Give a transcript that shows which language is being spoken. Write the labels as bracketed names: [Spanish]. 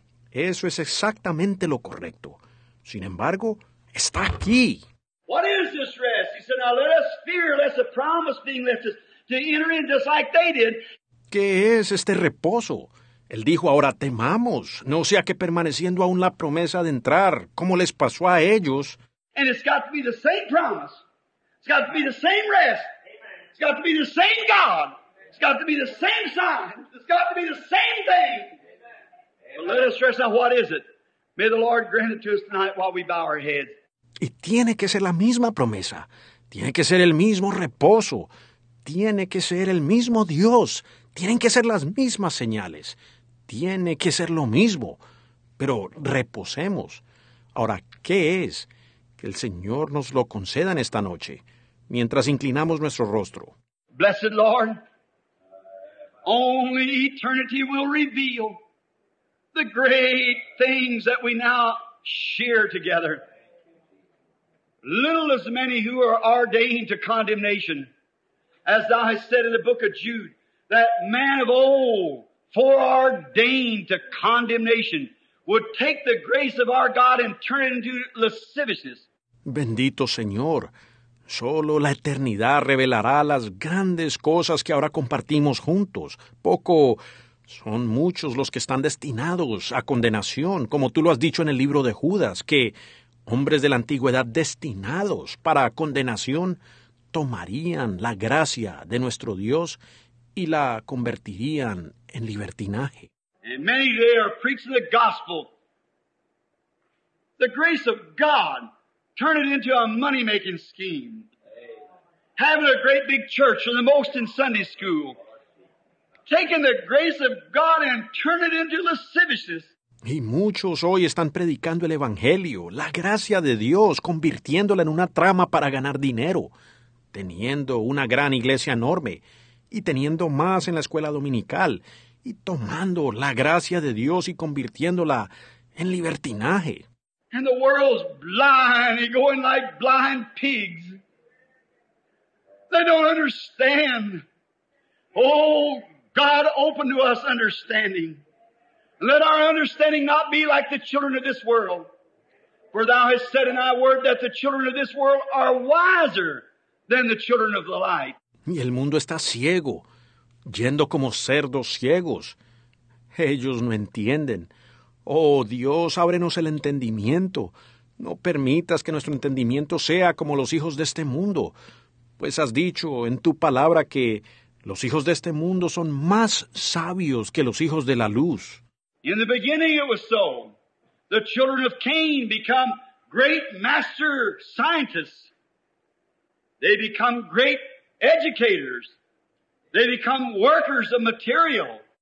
[Spanish] Eso es exactamente lo correcto. Sin embargo, está aquí. [English] What is this rest? He said, now let us fear lest the promise being left us to enter in just like they did. [Spanish] ¿Qué es este reposo? Él dijo, ahora temamos, no sea que permaneciendo aún la promesa de entrar, como les pasó a ellos. [English] And it's got to be the same promise. It's got to be the same rest. Amen. It's got to be the same God. Amen. It's got to be the same sign. It's got to be the same thing. Amen. Well, let us rest now. What is it? May the Lord grant it to us tonight while we bow our heads. [Spanish] Y tiene que ser la misma promesa. Tiene que ser el mismo reposo. Tiene que ser el mismo Dios. Tienen que ser las mismas señales. Tiene que ser lo mismo. Pero reposemos. Ahora, ¿qué es? Que el Señor nos lo conceda en esta noche, mientras inclinamos nuestro rostro. [English] Blessed Lord, only eternity will reveal the great things that we now share together. Little as many who are ordained to condemnation, as thou hast said in the book of Jude, that man of old, foreordained to condemnation, would take the grace of our God and turn it into lasciviousness. [Spanish] Bendito Señor, solo la eternidad revelará las grandes cosas que ahora compartimos juntos. Poco son muchos los que están destinados a condenación, como tú lo has dicho en el libro de Judas, que hombres de la antigüedad destinados para condenación tomarían la gracia de nuestro Dios y la convertirían en libertinaje. [English] And many there are preaching the gospel, the grace of God, turn it into a money-making scheme. Having a great big church or the most in Sunday school, taking the grace of God and turn it into lasciviousness. [Spanish] Y muchos hoy están predicando el Evangelio, la gracia de Dios, convirtiéndola en una trama para ganar dinero, teniendo una gran iglesia enorme y teniendo más en la escuela dominical y tomando la gracia de Dios y convirtiéndola en libertinaje. [English] And the world's blind and going like blind pigs. They don't understand. Oh, God, open to us understanding. Let our understanding not be like the children of this world. For thou hast said in thy word that the children of this world are wiser than the children of the light. [Spanish] Y el mundo está ciego, yendo como cerdos ciegos. Ellos no entienden. Oh, Dios, ábrenos el entendimiento. No permitas que nuestro entendimiento sea como los hijos de este mundo. Pues has dicho en tu palabra que los hijos de este mundo son más sabios que los hijos de la luz. [English] In the beginning it was so. The children of Cain become great master scientists. They become great educators. They become workers of material.